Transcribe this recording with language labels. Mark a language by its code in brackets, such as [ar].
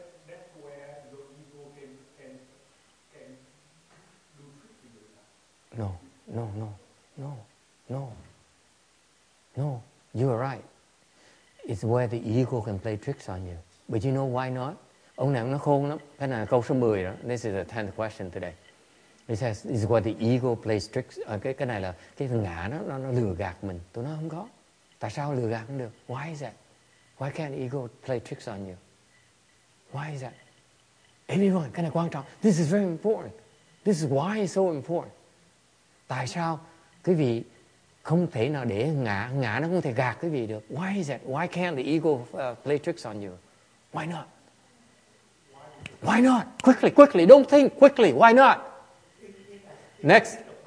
[en] That's where your ego can do tricky. No, you are right. It's where the ego can play tricks on you. But you know why not? [vi] Ông này nó khôn lắm. Cái này câu số 10 đó. [en] This is the 10th question today. He says, this is where the ego plays tricks. [vi] Cái này là cái thằng ngã nó lừa gạt mình. Tụi nó không có. Tại sao lừa gạt không được? [en] Why is that? Why can't ego play tricks on you? Why is that? Everyone, [vi] cái này quan trọng. [en] This is very important. This is why it's so important. [vi] Tại sao quý vị không thể nào để ngã nó không thể gạt quý vị được? [en] Why is that? Why can't the ego play tricks on you? Why not? Why not? Quickly, quickly. Don't think quickly. Why not? Next.